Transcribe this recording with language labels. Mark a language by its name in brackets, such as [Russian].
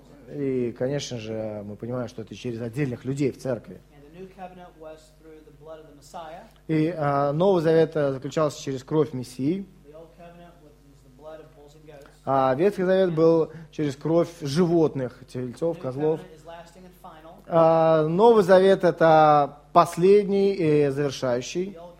[Russian] И, конечно же, мы понимаем, что это через отдельных людей в церкви. [English] new covenant was through the blood of the Messiah. [Russian] И Новый Завет заключался через кровь Мессии. [English] The old covenant was the blood of bulls and goats. [Russian] А Ветхий Завет был через кровь животных, тельцов, козлов. Новый Завет — это последний и завершающий.